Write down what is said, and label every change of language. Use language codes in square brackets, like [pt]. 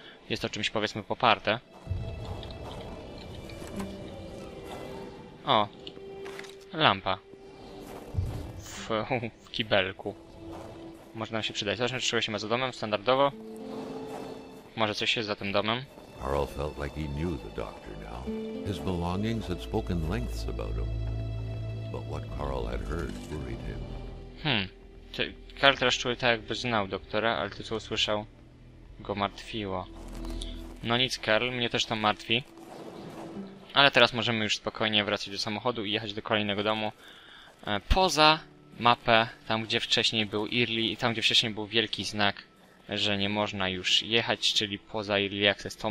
[pl] Jest to czymś, powiedzmy, poparte. O! Lampa. W kibelku. Można się przydać. Zobaczmy, czy czego się ma za domem, standardowo. Może coś jest za tym domem. [en] Carl felt like he knew the doctor now. His belongings had spoken lengths about him. But what Carl had heard worried him. [pl] Karl teraz czuł tak, jakby znał doktora, ale to, co usłyszał, go martwiło. No nic, Karl, mnie też to martwi. Ale teraz możemy już spokojnie wracać do samochodu i jechać do kolejnego domu. Poza mapę, tam gdzie wcześniej był Irli i tam gdzie wcześniej był wielki znak, że nie można już jechać, czyli poza Irli Access.